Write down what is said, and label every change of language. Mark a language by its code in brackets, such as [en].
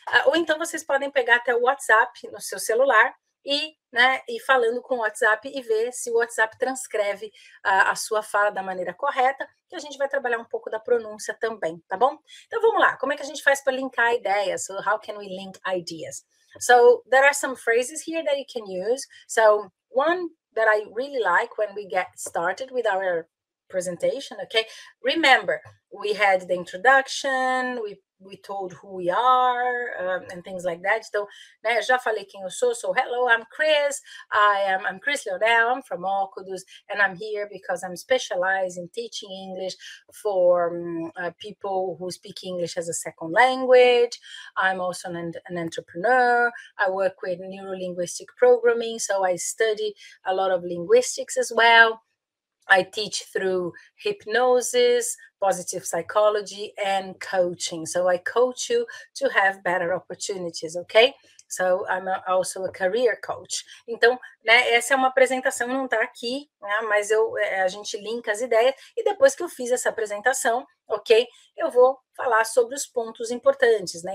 [pt] Ou então vocês podem pegar até o WhatsApp no seu celular. E, né, e falando com o WhatsApp e ver se o WhatsApp transcreve a sua fala da maneira correta, que a gente vai trabalhar um pouco da pronúncia também, tá bom? Então vamos lá, como é que a gente faz para linkar ideias? [en] So, how can we link ideas? So, there are some phrases here that you can use. So, one that I really like when we get started with our presentation, okay? Remember, we had the introduction, we told who we are, and things like that. [pt] Então, né, já falei quem eu sou. [en] So, hello, I'm Chris. I'm Chris Leonel. I'm from Ocudos, and I'm here because I'm specialized in teaching English for people who speak English as a second language. I'm also an entrepreneur. I work with neuro-linguistic programming, so I study a lot of linguistics as well. I teach through hypnosis, positive psychology, and coaching. So I coach you to have better opportunities, okay? So I'm also a career coach. [pt] Então, né, essa é uma apresentação, não está aqui, né, mas a gente linka as ideias, e depois que eu fiz essa apresentação, ok, eu vou falar sobre os pontos importantes, né?